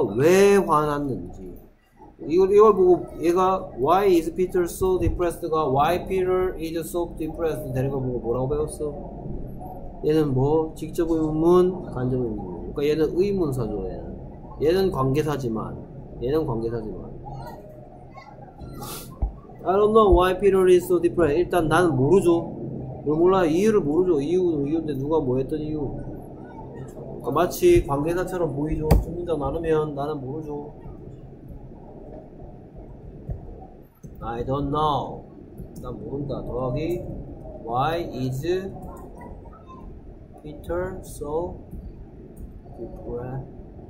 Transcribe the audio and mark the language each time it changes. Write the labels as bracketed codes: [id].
[ko] 왜 화났는지. 이걸 보고 얘가 [en] Why is Peter so depressed?가 Why Peter is so depressed? [ko] 되는 걸 보고 뭐라고 배웠어? 얘는 뭐? 직접 의문문, 간접 의문문. 그러니까 얘는 의문사죠, 얘는. 얘는 관계사지만. [en] I don't know why Peter is so depressed. [ko] 일단 나는 모르죠. 뭘 몰라. 이유를 모르죠. 이유인데 누가 뭐 했던 이유. 그러니까 마치 관계사처럼 보이죠. 두 문장 나누면 나는 모르죠. [en] I don't know. [ko] 난 모른다. 더하기. [en] Why is Peter so depressed?